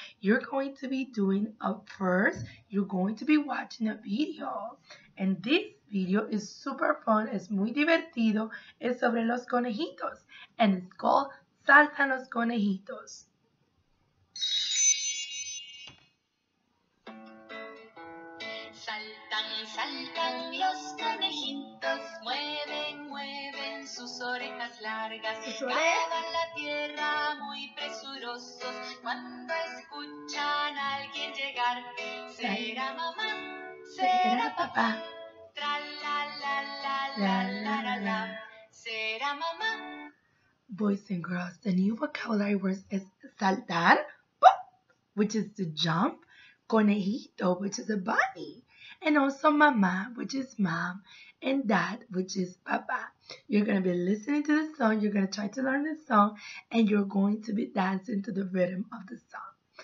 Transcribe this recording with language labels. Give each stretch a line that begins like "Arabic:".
English: You're going to be doing up first. You're going to be watching a video. And this video is super fun.
Spanish: Es muy divertido. Es sobre los conejitos.
English: And it's called
Spanish: Saltan los Conejitos. Saltan los conejitos, mueven sus orejas largas, cavan la tierra muy presurosos, cuando escuchan a alguien llegar, será mamá, será papá, tra la la la la la la la, será mamá.
English: Boys and girls, the new vocabulary words is saltar, pop, which is to jump, conejito, which is a bunny. And also mamá, which is mom, and dad, which is papá. You're going to be listening to the song, you're going to try to learn the song, and you're going to be dancing to the rhythm of the song.